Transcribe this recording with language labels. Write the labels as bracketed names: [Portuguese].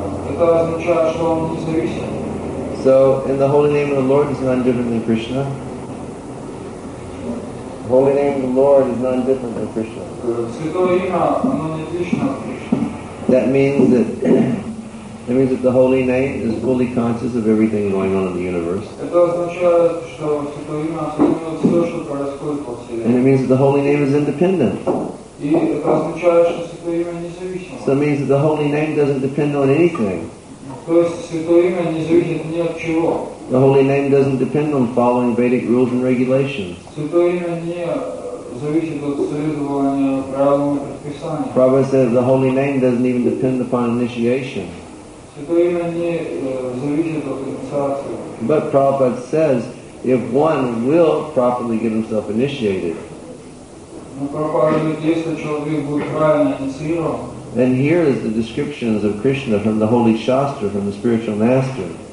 [Russian] Это означает, что он независим. [English] So, in the holy name of the Lord is none different than Krishna. The holy name of the Lord is none different than Krishna. [Russian] Святое имя, оно не отлично от Кришны. [English] That means that the holy name is fully conscious of everything going on in the universe. [Russian] Это означает, что святое имя осознает все, что происходит во вселенной. [English] And it means that the holy name is independent. [Russian] И это означает, что святое имя независимо. [English] So it means that the holy name doesn't depend on anything. [Russian] То есть святое имя не зависит ни от чего. [English] The holy name doesn't depend on following Vedic rules and regulations. [Russian] Святое имя не зависит от следования правилам и предписаниям. [English] Prabhupada says the holy name doesn't even depend upon initiation. [Russian] Святое имя не зависит от инициации. [English] But Prabhupada says if one will properly get himself initiated. And here is the descriptions of Krishna from the holy Shastra, from the spiritual master.